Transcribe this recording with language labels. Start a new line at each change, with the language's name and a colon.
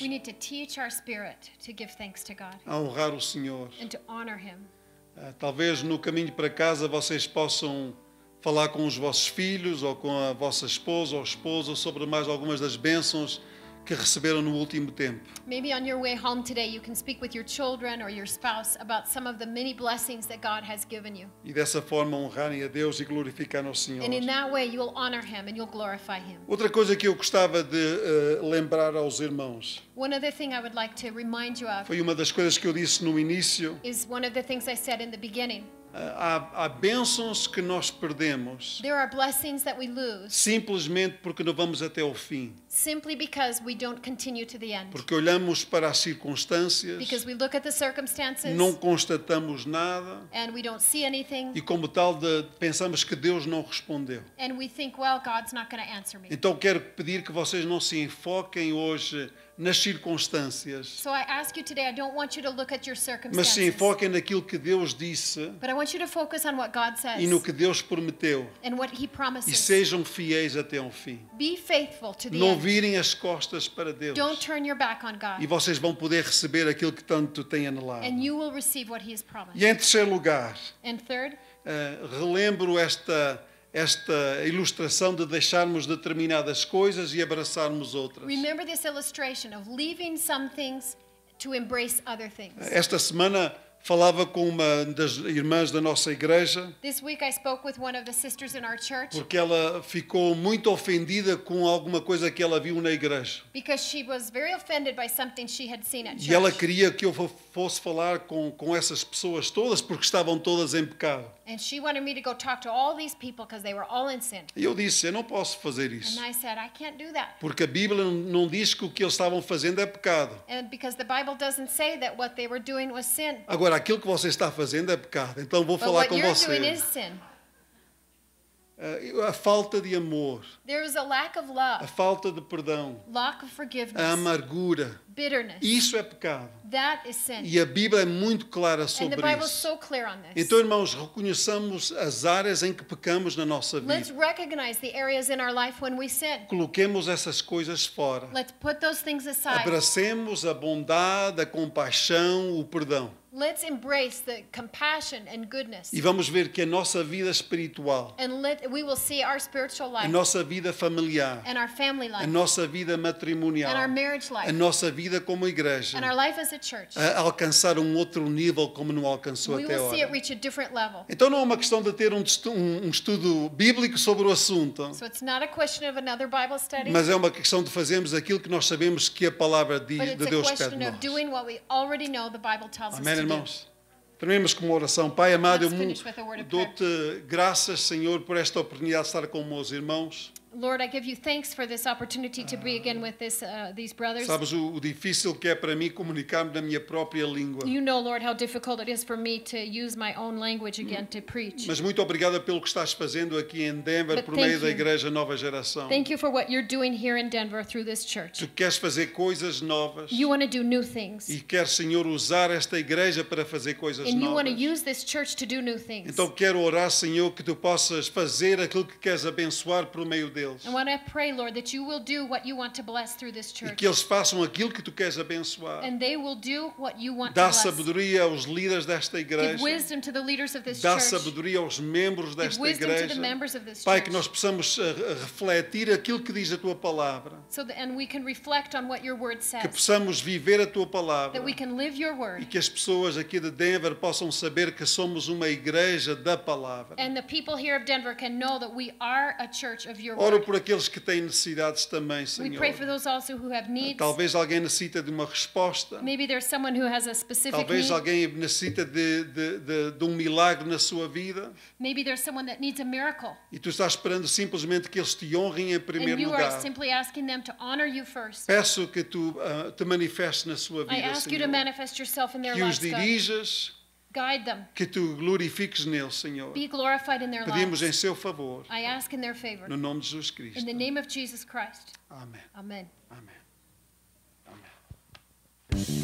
English: We need to teach our spirit to give thanks to God.
Portuguese: A honrar o Senhor.
English: And to honor him.
Portuguese: Talvez no caminho para casa vocês possam falar com os vossos filhos ou com a vossa esposa ou esposo sobre mais algumas das bênçãos que receberam no último tempo.
English: Maybe on your way home today you can speak with your children or your spouse about some of the many blessings that God has given you.
Portuguese: E dessa forma honrarem a Deus e glorificarem ao Senhor.
English: And in that way you will honor him and you'll glorify him.
Portuguese: Outra coisa que eu gostava de lembrar aos irmãos.
English: One other thing I would like to remind you of.
Portuguese: Foi uma das coisas que eu disse no início.
English: Is one of the things I said in the beginning.
Portuguese: Há bênçãos que nós perdemos.
English: There are blessings that we lose.
Portuguese: Simplesmente porque não vamos até ao fim.
English: Simply because we don't continue to the end.
Portuguese: Porque olhamos para as circunstâncias.
English: Because we look at the circumstances.
Portuguese: Não constatamos nada.
English: And we don't see anything.
Portuguese: E como tal pensamos que Deus não respondeu.
English: And we think, well, God's not going to answer me.
Portuguese: Então quero pedir que vocês não se enfoquem hoje nas circunstâncias.
English: So I ask you today, I don't want you to look at your circumstances.
Portuguese: Mas sim, foquem naquilo que Deus disse.
English: But I want you to focus on what God says.
Portuguese: E no que Deus prometeu.
English: And what he promises.
Portuguese: E sejam fiéis até ao fim.
English: Be faithful to the
Portuguese: end. Não virem as costas para Deus.
English: Don't turn your back on God.
Portuguese: E vocês vão poder receber aquilo que tanto têm anelado.
English: And you will receive what he has promised.
Portuguese: E em terceiro lugar.
English: And third.
Portuguese: Relembro esta ilustração de deixarmos determinadas coisas e abraçarmos outras.
English: Remember this illustration of leaving some things to embrace other things.
Portuguese: Esta semana Falava com uma das irmãs da nossa igreja.
English: This week I spoke with one of the sisters in our church.
Portuguese: Porque ela ficou muito ofendida com alguma coisa que ela viu na igreja.
English: Because she was very offended by something she had seen at church.
Portuguese: E ela queria que eu fosse falar com essas pessoas todas porque estavam todas em pecado.
English: And she wanted me to go talk to all these people because they were all in sin.
Portuguese: E eu disse, eu não posso fazer isso.
English: And I said, I can't do that.
Portuguese: Porque a Bíblia não diz que o que eles estavam fazendo é pecado.
English: And because the Bible doesn't say that what they were doing was sin.
Portuguese: Agora, aquilo que você está fazendo é pecado. Então vou
English: But
Portuguese: falar com você.
English: But what you're doing is sin.
Portuguese: A falta de amor.
English: There is a lack of love.
Portuguese: A falta de perdão.
English: Lack of forgiveness.
Portuguese: A amargura.
English: Bitterness.
Portuguese: Isso é pecado.
English: That is sin.
Portuguese: E a Bíblia é muito clara sobre isso.
English: And the Bible is so clear on this.
Portuguese: Então, irmãos, reconheçamos as áreas em que pecamos na nossa vida.
English: Let's recognize the areas in our life when we sin.
Portuguese: Coloquemos essas coisas fora.
English: Let's put those things aside.
Portuguese: Abracemos a bondade, a compaixão, o perdão.
English: Let's embrace the compassion and goodness.
Portuguese: E vamos ver que a nossa vida espiritual.
English: And we will see our spiritual life.
Portuguese: A nossa vida familiar.
English: And our family life.
Portuguese: A nossa vida matrimonial.
English: And our marriage life.
Portuguese: A nossa vida como igreja.
English: And our life as a church.
Portuguese: A alcançar um outro nível como não alcançou
English: we
Portuguese: até agora.
English: We will see it reach a different level.
Portuguese: Então não é uma questão de ter um estudo bíblico sobre o assunto.
English: So it's not a question of another Bible study.
Portuguese: Mas é uma questão de fazermos aquilo que nós sabemos que a palavra de Deus pede de nós.
English: But it's a question of doing what we already know the Bible tells
Portuguese: Amém. Irmãos, terminemos com uma oração. Pai amado, eu dou-te graças, Senhor, por esta oportunidade de estar com os meus irmãos.
English: Lord, I give you thanks for this opportunity to be again with these brothers.
Portuguese: Sabes o difícil que é para mim comunicar-me na minha própria língua.
English: You know, Lord, how difficult it is for me to use my own language again to preach.
Portuguese: Mas muito obrigada pelo que estás fazendo aqui em Denver por meio da Igreja Nova Geração.
English: Thank you for what you're doing here in Denver through this church.
Portuguese: Tu queres fazer coisas novas.
English: You want to do new things.
Portuguese: E queres, Senhor, usar esta igreja para fazer coisas novas.
English: And you want to use this church to do new things.
Portuguese: Então quero orar, Senhor, que tu possas fazer aquilo que queres abençoar por meio deles.
English: I want to pray, Lord, that you will do what you want to bless through this church.
Portuguese: E que eles façam aquilo que tu queres abençoar.
English: And they will do what you want
Portuguese: Dá
English: to bless.
Portuguese: Dá sabedoria aos líderes desta igreja.
English: Give wisdom to the leaders of this
Portuguese: Dá
English: church.
Portuguese: Dá sabedoria aos membros desta
English: Give Wisdom to the members of this
Portuguese: Pai,
English: church.
Portuguese: Pai, que nós possamos refletir aquilo que diz a tua palavra.
English: So that, and we can reflect on what your word says.
Portuguese: Que possamos viver a tua palavra.
English: That we can live your word.
Portuguese: E que as pessoas aqui de Denver possam saber que somos uma igreja da palavra.
English: And the people here of Denver can know that we are a church of your word.
Portuguese: Oro por aqueles que têm necessidades também, Senhor.
English: We pray for those also who have needs.
Portuguese: Talvez alguém necessite de uma resposta.
English: Maybe there's someone who has a specific
Portuguese: Talvez
English: need.
Portuguese: Alguém necessite de um milagre na sua vida.
English: Maybe there's someone that needs a miracle.
Portuguese: E tu estás esperando simplesmente que eles te honrem em primeiro
English: And you
Portuguese: lugar.
English: Are simply asking them to honor you first.
Portuguese: Peço que tu te manifestes na sua vida,
English: I ask
Portuguese: Senhor.
English: You to manifest yourself in their
Portuguese: que os dirijas.
English: Guide them.
Portuguese: Que tu glorifiques neles, Senhor.
English: Be glorified in their lives.
Portuguese: Pedimos em seu favor.
English: I ask in their favor.
Portuguese: No nome de Jesus Cristo.
English: In the name of Jesus Christ.
Portuguese: Amém. Amém. Amém. Amém.